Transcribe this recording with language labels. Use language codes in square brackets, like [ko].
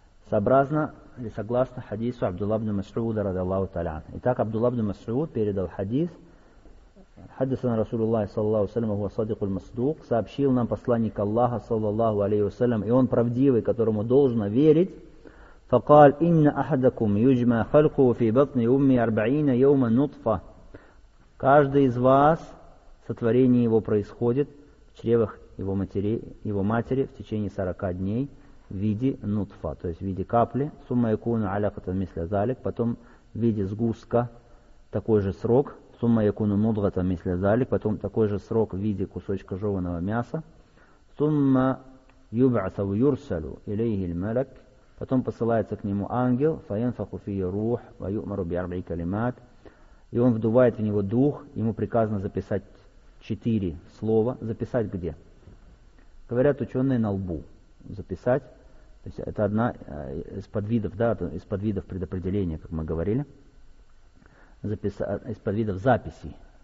[ru] Сообразно или согласно хадису Абдулла ибн Мас'уда, радиаллаху таля. Итак, Абдулла ибн Мас'уд передал хадис. Хадисана Расулуллахи, саллаллаху алейхи ва саллям, [ar] ва садикуль масдук, [ru] сообщил нам посланник Аллаха, саллаллаху алейхи ва саллям, и он правдивый, которому должно верить. [ar] فقال إن أحدكم يجمع خلقه في بطن أمه 40 يوما نطفة. [ru] Каждый из вас, сотворение его происходит в чревах его матери в течение 40 дней в виде нутфа, то есть в виде капли. [ar] ثم يكون علقة مثل ذلك, [ru] потом в виде сгустка такой же срок. [ar] ثم يكون مضغة مثل ذلك, [ru] потом такой же срок в виде кусочка жеваного мяса. [ar] ثم يبعث ويرسل إليه الملك. [ru] Потом посылается к нему ангел, [ar] فَيَنْفَقُ فِيهِ رُوحٌ وَيُؤْمَرُ بِأَرْبَعِ كَلِمَاتٍ. [ru] И он вдувает в него дух, ему приказано записать 4 слова. Записать где? Говорят ученые, на лбу. Записать То есть это одна из подвидов, да, из подвидов предопределения, как мы говорили, из подвидов записи.